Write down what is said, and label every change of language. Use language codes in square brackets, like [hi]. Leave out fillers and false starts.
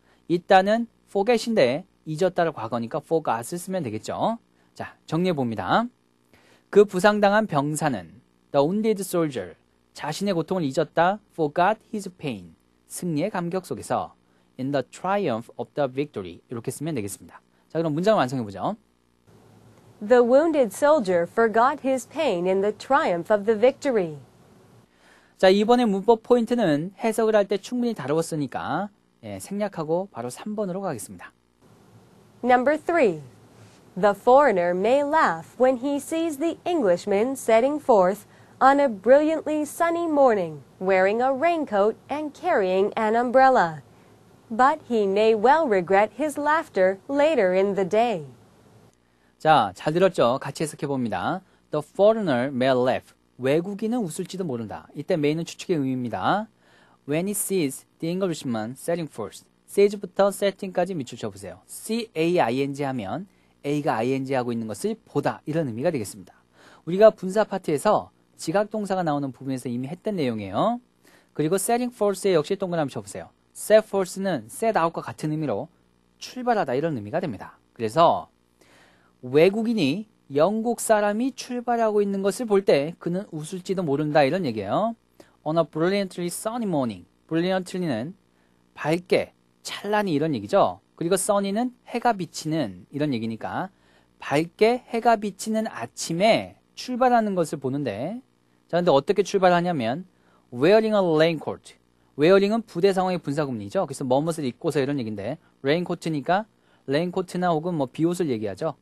[ko] 이따는 forget인데 잊었다를 과거니까 forgot을 쓰면 되겠죠. 자, 정리해 봅니다. 그 부상당한 병사는 [en] the wounded soldier [ko] 자신의 고통을 잊었다 [en] forgot his pain [ko] 승리의 감격 속에서 [en] in the triumph of the victory [ko] 이렇게 쓰면 되겠습니다. 자, 그럼 문장을 완성해 보죠. [en] The wounded soldier forgot his pain in the triumph of the victory. [ko] 자, 이번에 문법 포인트는 해석을 할 때 충분히 다루었으니까 예, 생략하고 바로 3번으로 가겠습니다. [en] Number 3. The foreigner may laugh when he sees the Englishman setting forth on a brilliantly sunny morning, wearing a raincoat and carrying an umbrella. But he may well regret his laughter later in the day. [ko] 자, 잘 들었죠? 같이 해석해 봅니다. The foreigner may laugh. 외국인은 웃을지도 모른다. 이때 may는 추측의 의미입니다. [en] When he sees the Englishman setting forth. [ko] sees부터 setting까지 밑줄 쳐보세요. C-A-I-N-G 하면 A가 ING 하고 있는 것을 보다 이런 의미가 되겠습니다. 우리가 분사 파트에서 지각동사가 나오는 부분에서 이미 했던 내용이에요. 그리고 setting forth에 역시 동그라미 쳐보세요. set forth는 [en] set out [ko] 과 같은 의미로 출발하다 이런 의미가 됩니다. 그래서 외국인이 영국 사람이 출발하고 있는 것을 볼 때 그는 웃을지도 모른다 이런 얘기예요. [en] On a brilliantly sunny morning. brilliantly는 [ko] 밝게, 찬란히 이런 얘기죠. 그리고 sunny는 해가 비치는 이런 얘기니까 밝게 해가 비치는 아침에 출발하는 것을 보는데 자, 근데 어떻게 출발하냐면 [en] wearing a raincoat. [ko] wearing은 부대 상황의 분사구문이죠. 그래서 뭐뭇을 입고서 이런 얘기인데 raincoat니까 raincoat나 혹은 뭐 비옷을 얘기하죠.